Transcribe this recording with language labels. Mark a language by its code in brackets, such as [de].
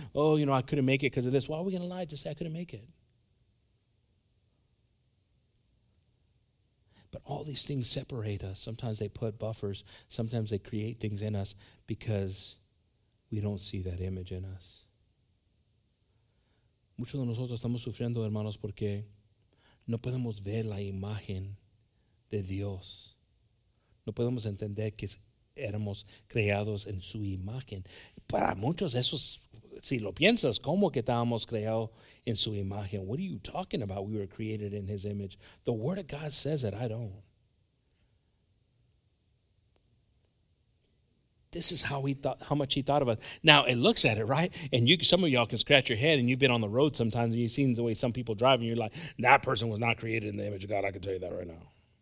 [en] I couldn't make it because of this. Why are we going to lie? Just say, I couldn't make it. But all these things separate us. Sometimes they put buffers. Sometimes they create things in us because we don't see that image in us. [es] Muchos de nosotros estamos sufriendo, hermanos, porque no podemos ver la imagen de Dios. No podemos entender que éramos creados en su imagen. Para muchos, eso es, si lo piensas, ¿cómo que estábamos creados en su imagen? [en] What are you talking about? We were created in his image. The word of God says it, I don't. This is how he thought, how much he thought of us. Now, it looks at it, right? And you, some of y'all can scratch your head, and you've been on the road sometimes, and you've seen the way some people drive, and you're like, that person was not created in the image of God. I can tell you that right now.